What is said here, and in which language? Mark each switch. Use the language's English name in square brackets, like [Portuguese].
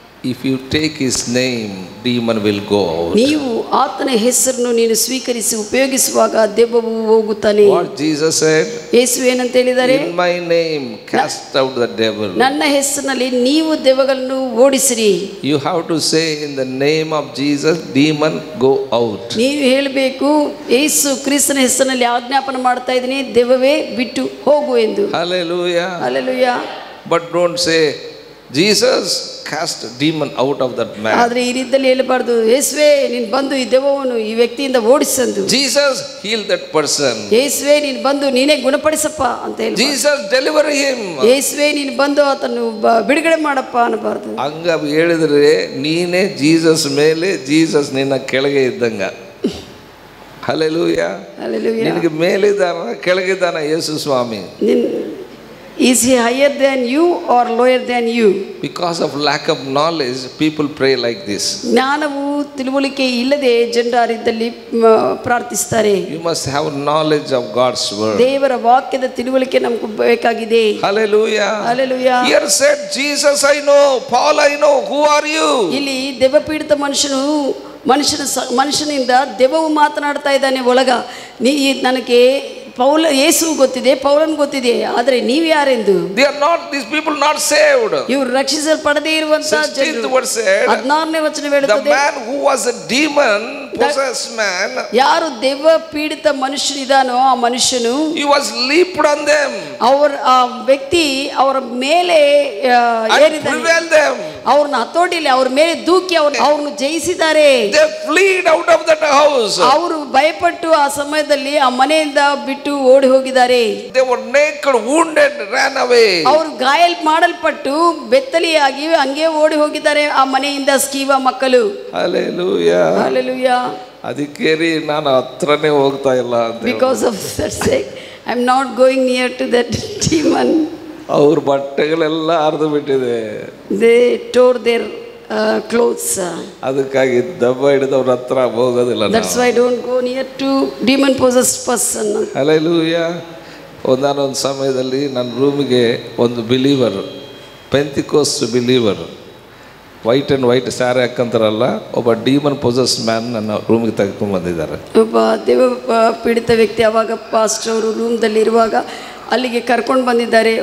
[English] If you take his name, demon will go out. [Kannada] ನೀವು ಆತನ ಹೆಸರನ್ನು ನೀನು ಸ್ವೀಕರಿಸಿ ಉಪಯೋಗಿಸುವಾಗ ದೆವ್ವವು ಹೋಗುತ್ತಾನೆ. [English] What Jesus said? [Kannada] ಯೇಸು ಏನಂತ ಹೇಳಿದ್ದಾರೆ? [English] In my name, cast out the devil. [Kannada] ನನ್ನ ಹೆಸರಿನಲ್ಲಿ ನೀವು ದೆವ್ವಗಳನ್ನು ಓಡಿಸಿರಿ. [English] You have to say in the name of Jesus, demon go out. [Kannada] ನೀವು ಹೇಳಬೇಕು ಯೇಸು ಕ್ರಿಸ್ತನ ಹೆಸರಿನಲ್ಲಿ ಆಜ್ಞಾಪನೆ ಮಾಡ್ತಾ ಇದ್ದೀನಿ, ದೆವ್ವವೇ ಬಿಟ್ಟು ಹೋಗು ಎಂದು. Hallelujah. Hallelujah. [English] But don't say, Jesus cast demon out of that man. [Kannada] ಆದರೆ ಈ ರೀತಿಯಲ್ಲಿ ಹೇಳಬಾರ್ದು, ಯೇಸುವೆ ನೀನು ಬಂದು ಈ ದೆವ್ವವನ್ನು ಈ ವ್ಯಕ್ತಿಯಿಂದ ಓಡಿಸಂದು. [English] Jesus heal that person. [Kannada] ಯೇಸುವೆ ನೀನು ಬಂದು ನೀನೇ ಗುಣಪಡಿಸಪ್ಪ ಅಂತ ಹೇಳಿ. [English] Jesus deliver him. [Kannada] ಯೇಸುವೆ ನೀನು ಬಂದು ಆತನ್ನು ಬಿಡುಗಡೆ ಮಾಡಪ್ಪ ಅನ್ನಬಾರ್ದು. ಹಂಗ ಹೇಳಿದ್ರೆ ನೀನೇ ಜೀಸಸ್ ಮೇಲೆ, ಜೀಸಸ್ ನಿನ್ನ ಕೆಳಗೆ ಇದ್ದಂಗ. Hallelujah, hallelujah. ನಿನಗೆ ಮೇಲಿದ್ದಾನ ಕೆಳಗಿದ್ದಾನ ಯೇಸು ಸ್ವಾಮಿ? [English] Is he higher than you or lower than you? Because of lack of knowledge, people pray like this. [Kannada] ಜ್ಞಾನವು ತಿಳುವಳಿಕೆ ಇಲ್ಲದೆ ಜನರಿದ್ದಲ್ಲಿ ಪ್ರಾರ್ಥಿಸುತ್ತಾರೆ. [English] You must have knowledge of God's word. [Kannada] ದೇವರ ವಾಕ್ಯದ ತಿಳುವಳಿಕೆ ನಮಗೆ ಬೇಕಾಗಿದೆ. Hallelujah. Hallelujah. [English] Here said, Jesus I know, Paul I know, who are you? [Kannada] ಇಲ್ಲಿ ದೆವ್ವಪೀಡಿತ ಮನುಷ್ಯನು ಮನುಷ್ಯನಿಂದ ದೆವ್ವವು ಮಾತನಾಡ್ತಾ ಇದ್ದಾನೆ ಒಳಗ, ನೀ ನನಗೆ ಪೌಲ ಯೇಸು ಗೊತ್ತಿದೆ, ಪೌಲನ್ ಗೊತ್ತಿದೆ, ಆದರೆ ನೀವ್ ಯಾರೆಂದು. [English] They are not, these people not saved. [Kannada] ಇವರು ರಕ್ಷಿಸಲ್ಪಡದೇ ಇರುವಂತ ಜನರು. [English] 16th verse [Kannada] 16ನೇ ವಚನ ಹೇಳುತ್ತದೆ. [English] The man who was a demon possessed man. [Kannada] ಯಾರು ದೇವ ಪೀಡಿತ ಮನುಷ್ಯನಿದಾನೋ ಆ ಮನುಷ್ಯನು. [English] He was leaped on them. [Kannada] ಅವರ ಆ ವ್ಯಕ್ತಿ ಅವರ ಮೇಲೆ ಏರಿದನು. [English] Prevailed them. [Kannada] ಅವರನ್ನ ಹತೋಟಿಯಲ್ಲಿ ಅವರ ಮೇಲೆ ದೂಕಿ ಅವರನ್ನು ಜಯಿಸಿದ್ದಾರೆ. [English] They fled out of that house. [Kannada] ಅವರು ಭಯಪಟ್ಟು ಆ ಸಮಯದಲ್ಲಿ ಆ ಮನೆಯಿಂದ ಬಿಟ್ಟು ಓಡಿ ಹೋಗಿದ್ದಾರೆ. [English] They were naked, wounded, ran away. [Kannada] ಅವರು ಗಾಯಲ್ ಮಾಡಲ್ಪಟ್ಟು ಬೆತ್ತಲಿಯಾಗಿ ಹಂಗೆ ಓಡಿ ಹೋಗಿದ್ದಾರೆ ಆ ಮನೆಯಿಂದ ಸ್ಕೀವ ಮಕ್ಕಳು. Hallelujah. Hallelujah. ಅದಕ್ಕೇರಿ ನಾನು ಹತ್ರನೇ ಹೋಗ್ತಾ ಇಲ್ಲ. [English] Because of that sake, I'm not going near to that demon. [Kannada] ಅವ್ರ ಬಟ್ಟೆಗಳೆಲ್ಲ ಹರಿದು ಬಿಟ್ಟಿದೆ. [English] They tore their clothes. [Kannada] ಅದಕ್ಕಾಗಿ ದಬ್ಬ ಹಿಡಿದು ಅವ್ರ ಹತ್ರ ಹೋಗೋದಿಲ್ಲ. [English] That's why I don't go near to demon possessed person. Hallelujah. [Kannada] ಒಂದಾನೊಂದು ಸಮಯದಲ್ಲಿ ನನ್ನ ರೂಮಿಗೆ ಒಂದು believer, ಪೆಂತಿಕೋಸ್ಟ್ believer, white and white sari ಹಾಕಂತಾರಲ್ಲ, ಒಬ್ಬ ಡೀಮನ್ ಪೊಸೆಸ್ ಮ್ಯಾನ್ ನನ್ನ ರೂಮ್ಗೆ ತೆಗೆದುಕೊಂಡು ಬಂದಿದ್ದಾರೆ. ಒಬ್ಬ ದೇವ ಪೀಡಿತ ವ್ಯಕ್ತಿ ಅವಾಗ ಪಾಸ್ಟರ್ ರೂಮ್ದಲ್ಲಿ ಇರುವಾಗ ಅಲ್ಲಿಗೆ ಕರ್ಕೊಂಡು ಬಂದಿದ್ದಾರೆ.